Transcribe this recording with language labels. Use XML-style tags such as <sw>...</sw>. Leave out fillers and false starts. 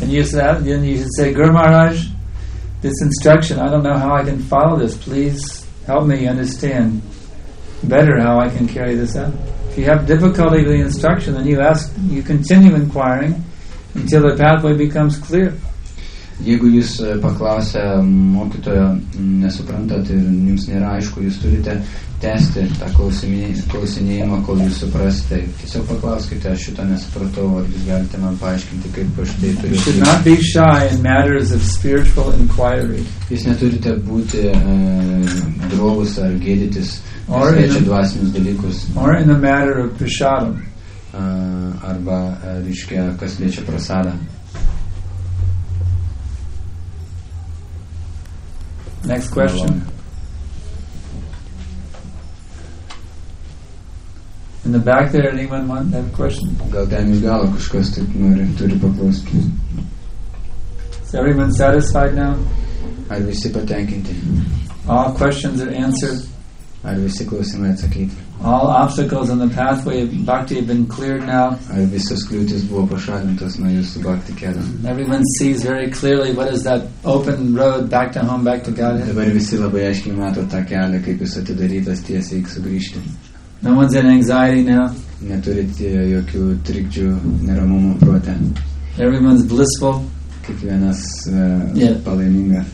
<en>And you should say, Guru Maharaj, this instruction, I don't know how I can follow this. Please help me understand better how I can carry this out. If you have difficulty with the instruction, then you ask, you continue inquiring until the pathway becomes clear.</en> <lt>Jeigu jūs paklausę mokytojo nesuprantat ir jums nėra aišku, jūs turite tęsti tą klausinėjimą, kol jūs suprasite. Tiesiog paklauskite, aš šito nesupratau, ar jūs galite man paaiškinti, kaip aš tai turiu.</lt> <en>You should not be shy in matters of spiritual inquiry.</en> <lt>Jūs neturite būti drovus ar gėdytis, nes reičia dvasinius dalykus.</lt> <en>Or in the matter of prasadam.</en> <lt>Arba, reiškia, kas liečia prasadą.</lt> <en>Next question. In the back there, anyone want that question?</en> <lt>Gal ten iš galo kažkas taip nori, turi paklausti.</lt> <en>Is everyone satisfied now?</en> <lt>Ar visi patenkinti?</lt> <en>All questions are answered.</en> <lt>Ar visi klausimai atsakyti?</lt> <en>All obstacles on the pathway of bhakti have been cleared now.</en> <lt>Ar visos kliūtis buvo pašalintos nuo jūsų bhakti kelio.</lt> <en>Everyone sees very clearly what is that open road back to home, back to Godhead.</en> <lt>Dabar visi labai aiškiai mato tą kelią, kaip jis atidarytas tiesiai iki sugrįžti.</lt> <en>No one's in anxiety now.</en> <lt>Neturite jokių trikdžių neramumo prote.</lt> <en>Everyone's blissful.</en> <lt>Kiekvienas palaiminga.</lt>